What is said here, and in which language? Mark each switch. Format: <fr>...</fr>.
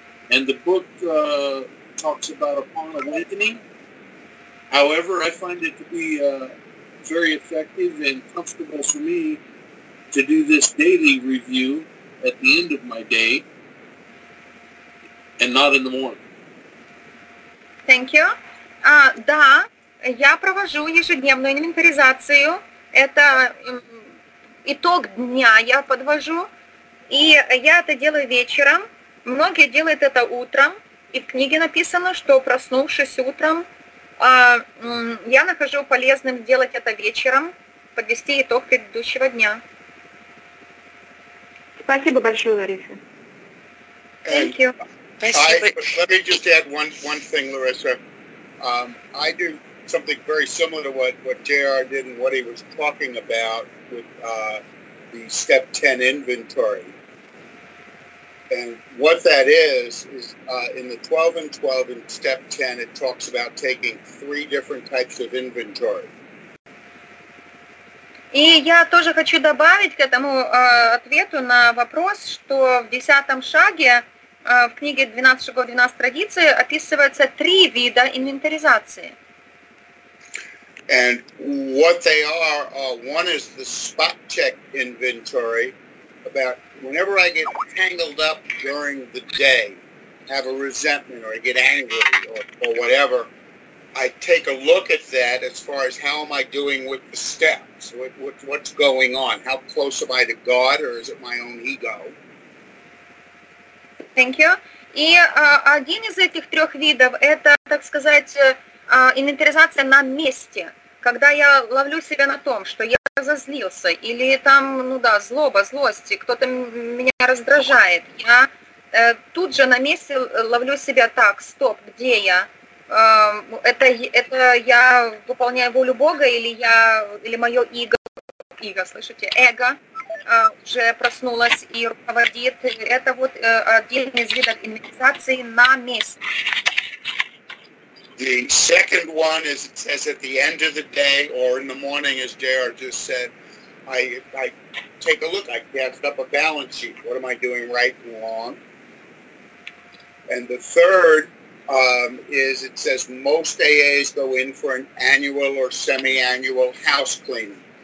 <en>And the book talks about upon awakening. However, I find it to be very effective and comfortable for me to do this daily review at the end of my day and not in the morning. Thank you.</en> <ru>Да, я провожу ежедневную инвентаризацию. Это итог дня я подвожу. И я это делаю вечером. Многие делают это утром. И в книге написано, что проснувшись утром, я нахожу полезным делать это вечером, подвести итог предыдущего дня. Спасибо большое, Лариса.</ru> <en>Thank you.</en> <ru>Спасибо.</ru> <en>Let me just add one thing, Larissa. I do something very similar to what JR did and what he was talking about with the step 10 inventory. And what that is in the 12 and 12 in step 10, it talks about taking three different types of inventory.</en> <ru>И я тоже хочу добавить к этому ответу на вопрос, что в 10-м шаге в книге 12 шагов, 12 традиций описывается три вида инвентаризации.</ru> <en>And what they are one is the spot check inventory, about whenever I get tangled up during the day, have a resentment or I get angry or whatever, I take a look at that as far as how am I doing with the steps, what's going on, how close am I to God or is it my own ego? Thank you.</en> <ru>И один из этих трех видов – это, так сказать, инвентаризация на месте, когда я ловлю себя на том, что я разозлился, или там, ну да, злоба, злости, кто-то меня раздражает, я тут же на месте ловлю себя так, стоп, где я? Это я выполняю волю Бога, или я, или мое эго, слышите, эго уже проснулась и руководит. Это вот один из видов инвентаризации на месте.</ru> <en>The second one is, it says at the end of the day or in the morning, as JR just said, I take a look, I cast up a balance sheet. What am I doing right and wrong? And the third is, it says most AAs go in for an annual or semi-annual house cleaning.</en>